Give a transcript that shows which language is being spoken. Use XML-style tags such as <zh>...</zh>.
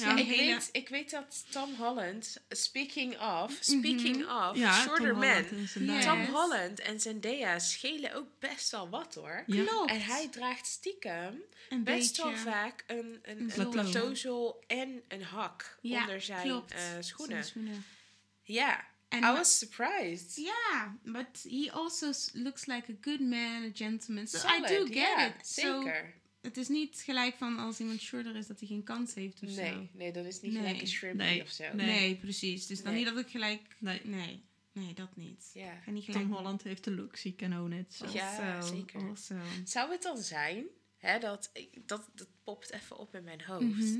<nl>Ja. Ik weet dat Tom Holland,</nl> <en>speaking of, shorter men.</en> <nl>Tom Holland en Zendaya schelen ook best wel wat hoor. Ja. Klopt. En hij draagt stiekem best wel vaak een tozel en een hak onder zijn schoenen.</nl> <en>Ja. And I was surprised. Yeah, but he also looks like a good man, a gentleman. So Solid, I do get it.</en> <nl>Zeker. Het is niet gelijk van als iemand shorter is dat hij geen kans heeft of nee, zo. Nee, dat is niet gelijk een shrimpy of zo. Nee, precies. Dus dan niet dat ik gelijk... Nee, dat niet.</nl> <en>Yeah.</en> <nl>En niet gelijk... Tom Holland heeft de look,</nl> <en>she can own it.</en> <nl>Ja, zeker.</nl> <en>Also.</en> <nl>Zou het dan zijn, hè, dat popt even op in mijn hoofd, mm-hmm.</nl>